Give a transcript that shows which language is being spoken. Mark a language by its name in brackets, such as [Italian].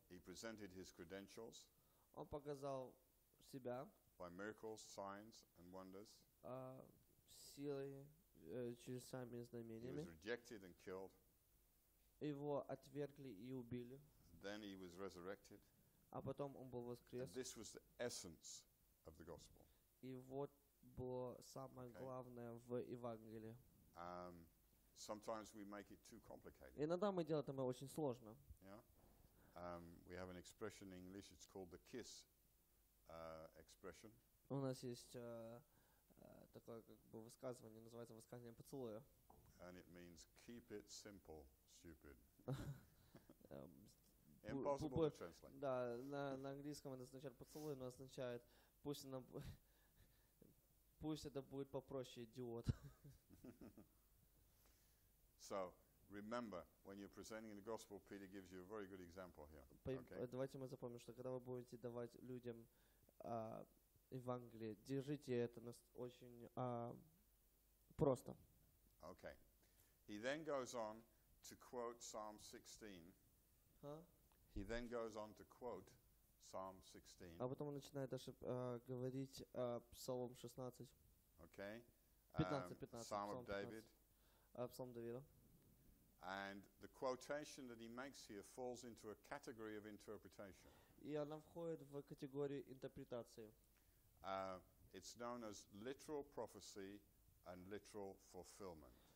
[English] He presented his credentials. [Russian] Он показал себя. [English] By miracles, signs, and wonders. [Russian] Силой, чудесами и знамениями. [English] He was rejected and killed. [Russian] Его отвергли и убили. [English] Then he was resurrected. [Russian] А потом он был воскрес. [English] And this was the essence of the gospel. [Russian] И вот было самое главное в Евангелии. [English] Sometimes we make it too complicated. [Russian] Иногда мы делаем это очень сложно. [English] Yeah. We have an expression in English, it's called the kiss expression. [Russian] У нас есть такое как бы высказывание, называется высказывание поцелуя. [English] And it means keep it simple, stupid. Impossible to translate. [Russian] Да, на английском это означает поцелуй, но означает пусть она пусть это будет попроще, идиот. [English] So, remember, when you're presenting the gospel, Peter gives you a very good example here. Okay. [Russian] Давайте мы запомним, что когда вы будете давать людям Евангелие, держите это очень просто. [English] Okay. He then goes on to quote Psalm 16. Huh? He then goes on to quote Psalm 16. [Russian] А потом он начинает даже говорить Псалом 16. [English] Okay. 15. Psalm of David. [Russian] Псалом Давида. [English] And the quotation that he makes here falls into a category of interpretation. [Russian] И она входит в категорию интерпретации. [English] It's known as literal prophecy and literal fulfillment.